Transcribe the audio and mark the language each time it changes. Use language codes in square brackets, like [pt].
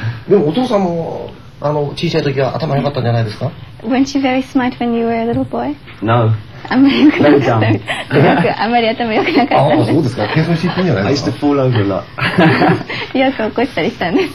[ja] でもお父さんも小さい時は頭良かったんじゃないですか。 [en] Weren't you very smart when you were a little boy? No. [ja] あんまり頭良くなかったんです。ああ、そうですか。計算していいんじゃないですか。 [en] I used to fall over a lot. [ja] よく起こしたりしたんです